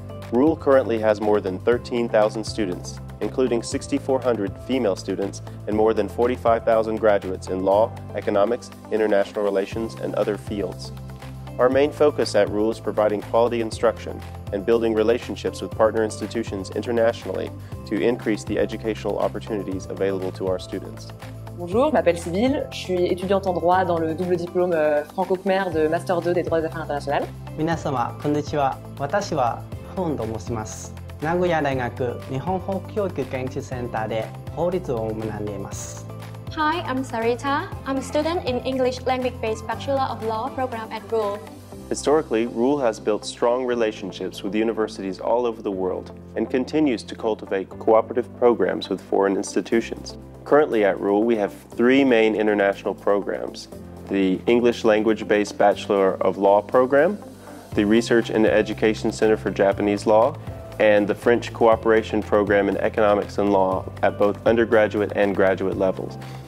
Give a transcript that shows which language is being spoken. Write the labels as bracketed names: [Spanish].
[English] RULE currently has more than 13,000 students, including 6,400 female students and more than 45,000 graduates in law, economics, international relations, and other fields. Our main focus at RULE is providing quality instruction and building relationships with partner institutions internationally to increase the educational opportunities available to our students. [French] Bonjour, je m'appelle Sybille, je suis étudiante en droit dans le double diplôme franco-khmer de Master 2 des droits des affaires internationales. [Japanese] 皆様, konnichiwa. 私は本と申します。名古屋大学日本法教育研究センターで法律を学んでいます。 [English] Hi, I'm Sarita. I'm a student in English language-based Bachelor of Law program at RULE. Historically, RULE has built strong relationships with universities all over the world and continues to cultivate cooperative programs with foreign institutions. Currently at RULE, we have three main international programs: the English language-based Bachelor of Law program, the Research and Education Center for Japanese Law, and the French Cooperation Program in Economics and Law at both undergraduate and graduate levels.